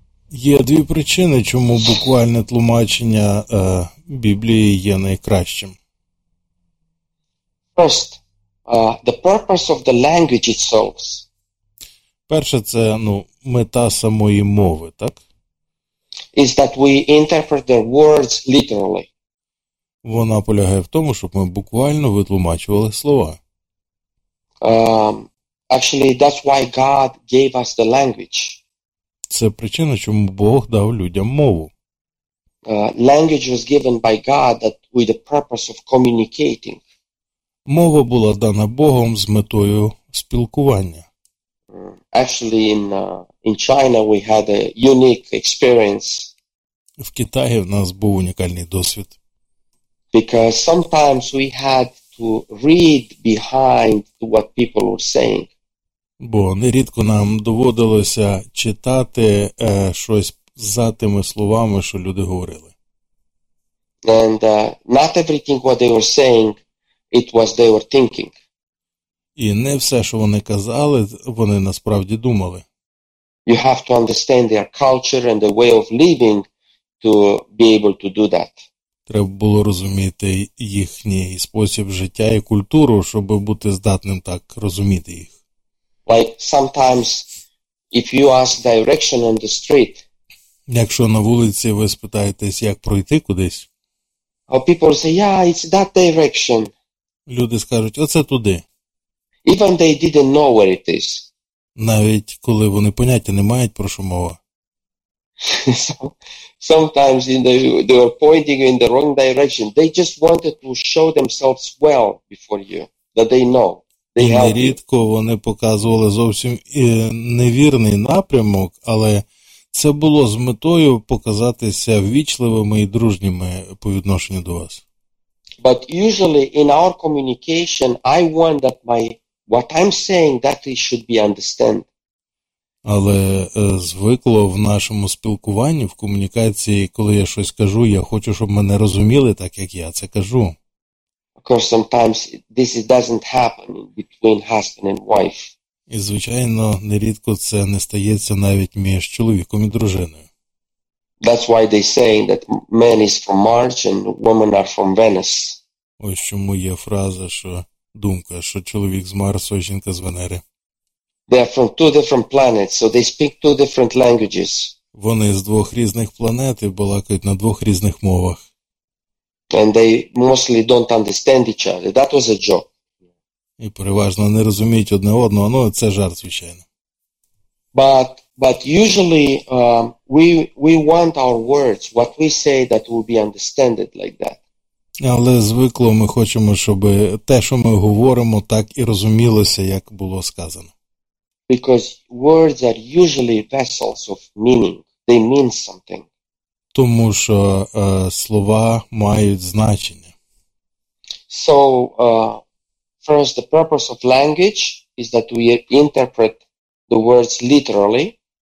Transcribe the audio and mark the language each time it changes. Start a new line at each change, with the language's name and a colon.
Ukrainian: Є дві причини, чому буквальне тлумачення Біблії є найкращим.
English: First, the purpose of the language itself.
Ukrainian: Перше, це, ну, мета самої мови, так?
English: Is that we interpret the words literally.
Ukrainian: Вона полягає в тому, щоб ми буквально витлумачували слова.
English: Actually, that's why God gave us the language.
Ukrainian: Це причина, чому Бог дав людям мову.
English: Language was given by God that with the purpose of communicating.
Ukrainian: Мова була дана Богом з метою спілкування.
English: Actually, in China we had a unique experience.
Ukrainian: В Китаї в нас був унікальний досвід.
English: Because sometimes we had to read behind what people were saying.
Ukrainian: Бо нерідко нам доводилося читати щось за тими словами, що люди говорили.
English: And not everything what they were saying, it was they were thinking.
Ukrainian: І не все, що вони казали, вони насправді думали.
English: You have to understand their culture and the way of living to be able to do that.
Ukrainian: Треба було розуміти їхній спосіб життя і культуру, щоб бути здатним так розуміти їх.
English: Like sometimes if you ask direction on the street,
Ukrainian: якщо на вулиці ви спитаєтесь, як пройти кудись,
English: people say, yeah, it's that direction.
Ukrainian: Люди скажуть, оце туди.
English: Even they didn't know where it is.
Ukrainian: Навіть коли вони поняття не мають, про що мова.
English: Sometimes they were pointing in the wrong direction. They just wanted to show themselves well before you, that they know.
Ukrainian: І нерідко вони показували зовсім невірний напрямок, але це було з метою показатися ввічливими і дружніми по відношенню до вас.
English: But usually in our communication I want that my what I'm saying that it should be understood.
Ukrainian: Але звикло в нашому спілкуванні, в комунікації, коли я щось кажу, я хочу, щоб мене розуміли так, як я це кажу.
English: Of course, sometimes this doesn't happen between husband and wife.
Ukrainian: І, звичайно, нерідко це не стається навіть між чоловіком і дружиною.
English: That's why they say that man is from Mars and women are from Venus.
Ukrainian: Ось чому є фраза, що думка, що чоловік з Марсу, а жінка з Венери.
English: They are from two different planets, so they speak two different languages.
Ukrainian: Вони з двох різних планет і балакають на двох різних мовах.
English: And they mostly don't understand each other. That was a joke.
Ukrainian: І переважно не розуміють одне одного. Ну, це жарт, звичайно.
English: But usually we want our words, what we say, that will be understood like that.
Ukrainian: Але звикло ми хочемо, щоб те, що ми говоримо, так і розумілося, як було сказано.
English: Because words are usually vessels of meaning. They mean something.
Ukrainian: Тому що слова мають значення.
English: So, first, the purpose of language is that we interpret the words literally.